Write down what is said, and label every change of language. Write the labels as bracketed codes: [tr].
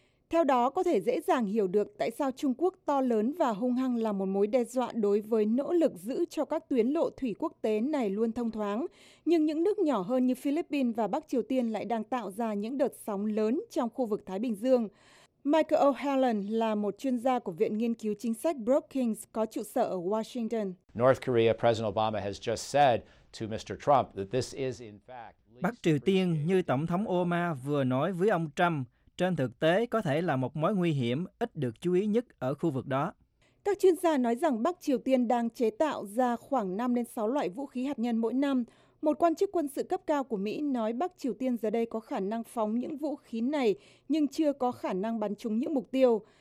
[vi] Theo đó, có thể dễ dàng hiểu được tại sao Trung Quốc to lớn và hung hăng là một mối đe dọa đối với nỗ lực giữ cho các tuyến lộ thủy quốc tế này luôn thông thoáng. Nhưng những nước nhỏ hơn như Philippines và Bắc Triều Tiên lại đang tạo ra những đợt sóng lớn trong khu vực Thái Bình Dương. Michael O'Hallan là một chuyên gia của Viện Nghiên cứu Chính sách Brookings có trụ sở ở Washington. [en] North Korea, President Obama has just said to Mr. Trump that this is in fact. [vi] Bắc Triều Tiên, như Tổng thống Obama vừa nói với ông Trump, trên thực tế có thể là một mối nguy hiểm ít được chú ý nhất ở khu vực đó. Các chuyên gia nói rằng Bắc Triều Tiên đang chế tạo ra khoảng 5-6 loại vũ khí hạt nhân mỗi năm. Một quan chức quân sự cấp cao của Mỹ nói Bắc Triều Tiên giờ đây có khả năng phóng những vũ khí này, nhưng chưa có khả năng bắn trúng những mục tiêu.